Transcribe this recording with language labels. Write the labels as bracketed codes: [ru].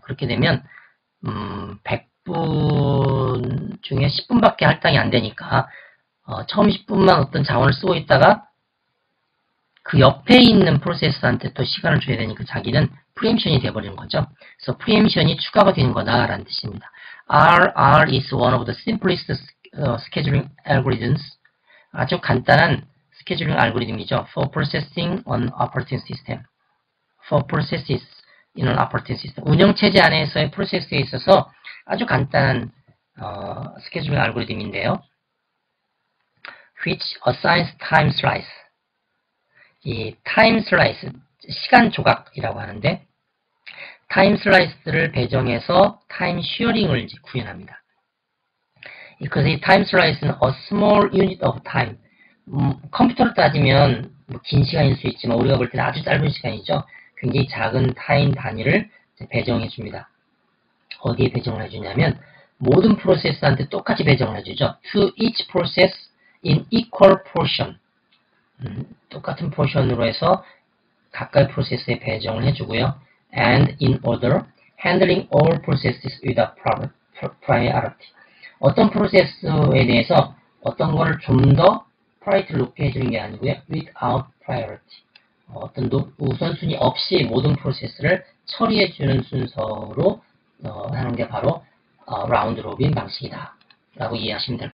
[ko] 그렇게 되면 100분 중에 10분밖에 할당이 안 되니까 처음 10분만 어떤 자원을 쓰고 있다가 그 옆에 있는 프로세스한테 또 시간을 줘야 되니까 자기는 프리엠션이 되어버리는 거죠. 그래서 프리엠션이 추가가 되는 거다라는 뜻입니다. [en] RR is one of the simplest scheduling algorithms. [ko] 아주 간단한 스케줄링 알고리즘이죠. [en] For processing on operating system. For processes in an operating system. [ko] 운영체제 안에서의 프로세스에 있어서 아주 간단한 스케줄링 알고리즘인데요. [en] Which assigns time slice. [ko] 이 time slice, 시간 조각이라고 하는데, time slice를 배정해서 time sharing을 구현합니다. [en] Because time slice는 a small unit of time. [ko] 컴퓨터로 따지면 뭐긴 시간일 수 있지만 우리가 볼 때는 아주 짧은 시간이죠. 굉장히 작은 타임 단위를 배정해 줍니다. 어디에 배정을 해주냐면 모든 프로세스한테 똑같이 배정을 해주죠. [en] To each process in equal portion. [ko] 똑같은 포션으로 해서 각각의 프로세스에 배정을 해주고요. [en] And in order, handling all processes without priority. [ko] 어떤 프로세스에 대해서 어떤 거를 좀더 프라이트를 높게 해주는 게 아니고요. [en] Without priority. [ko] 어떤 우선순위 없이 모든 프로세스를 처리해주는 순서로 하는 게 바로 라운드 로빈 방식이다 라고 이해하시면 될것